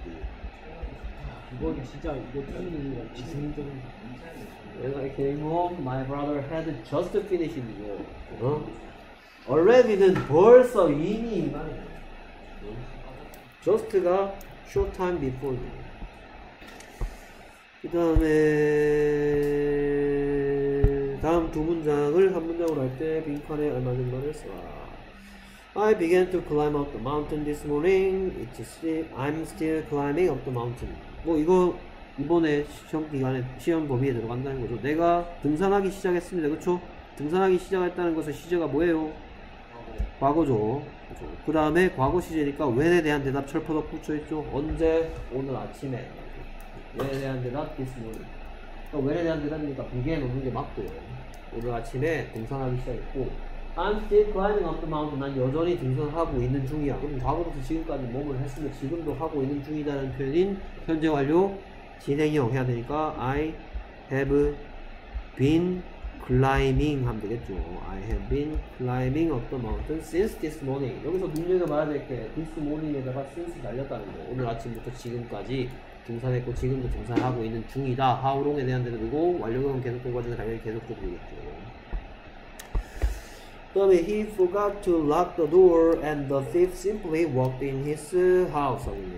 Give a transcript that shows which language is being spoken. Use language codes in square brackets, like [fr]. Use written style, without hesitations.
[ko] 이건 진짜 이거 틀리는 거 기승전. [en] When I came home, my brother had just finished. [ko] 어? already는 벌써 이미. [en] Just가 short time before. [ko] 그 다음에 다음 두 문장을 한 문장으로 할 때 빈칸에 알맞은 말을 써라. [en] I began to climb up the mountain this morning. I'm still climbing up the mountain. [ko] 뭐 이거 이번에 시험 기간에 시험 범위에 들어간다는 거죠. 내가 등산하기 시작했습니다. 그렇죠? 등산하기 시작했다는 것의 시제가 뭐예요? 과거죠. 그 다음에 과거 시제니까 when에 대한 대답 철퍼덕 붙여있죠. 언제? 오늘 아침에. when에 대한 대답 this morning. 그러니까 when에 대한 대답이니까 begin 오는 게 맞고요. 오늘 아침에 등산하기 시작했고 [en] I'm still climbing up the mountain. [ko] 난 여전히 등산하고 있는 중이야. 그럼 과거부터 지금까지 몸을 했으면 지금도 하고 있는 중이다는 표현인 현재 완료 진행형 해야 되니까 [en] I have been climbing [ko] 하면 되겠죠. [en] I have been climbing up the mountain since this morning. [ko] 여기서 눈여겨봐야 될 게 this morning에다가 since 달렸다는 거. 오늘 아침부터 지금까지 등산했고 지금도 등산하고 있는 중이다. How long에 대한 대답이고 완료형은 계속된 과정에 당연히 계속적으로 되겠죠. 그 다음에 [en] he forgot to lock the door and the thief simply walked in his house.